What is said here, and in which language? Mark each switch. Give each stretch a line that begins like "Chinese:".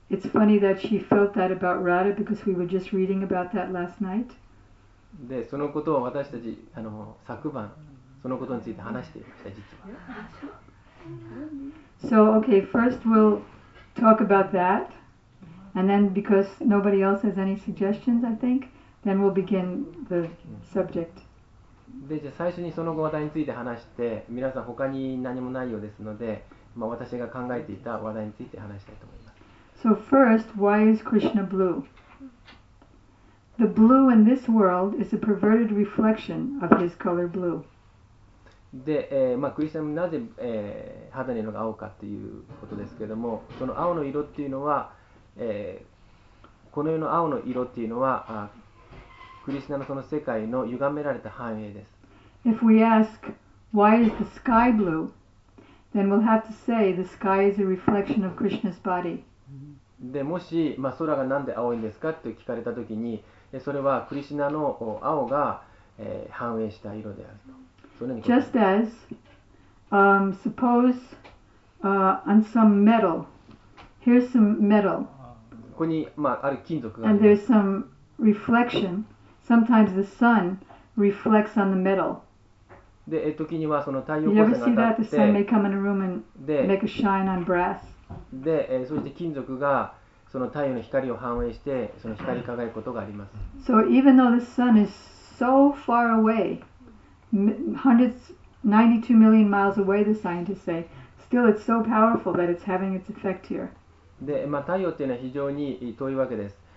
English: It's funny that she felt that about Radha because we were just reading about that last night.
Japanese: で、そのことを私たち昨晩そのことについて話していました実は。
English: So okay, first we'll talk about that, and then because nobody else has any suggestions, I think, then we'll begin the subject.
Japanese: で、じゃあ最初にその話題について話して、皆さん他に何もないようですので、まあ私が考えていた話題について話したいと思います。
English: So first, why is Krishna blue? The blue in this world is a perverted reflection of his color blue.
Japanese: で、まあクリシュナなぜ、肌の色が青かということですけれども、その青の色っていうのは、この世の青の色っていうのは、クリシュナのその世界の歪められた反映です。
English: If we ask why is the sky blue, then we'll have to say the sky is a reflection of Krishna's body.
Japanese: でもし、まあ、空がなんで青いんですかって聞かれたときにそれはクリシュナの青が、反映した色であるとそれに
English: Just as suppose on some metal here's some metal
Japanese: ここに、まあ、ある金属がある
English: And there's some reflection. Sometimes the sun reflects on the metal.
Japanese: で、時にはその太陽光線が当たって、
English: You ever see that? The sun may come in a room and make a shine on brass.
Japanese: で、そして金属がその太陽の光を反映してその光り輝くことがあります。
English: So even though the sun is so far away, hundreds, 92 million miles away, the scientists say, still it's so powerful that it's having its effect here.
Japanese: で、まあ、太陽っていうのは非常に遠いわけです。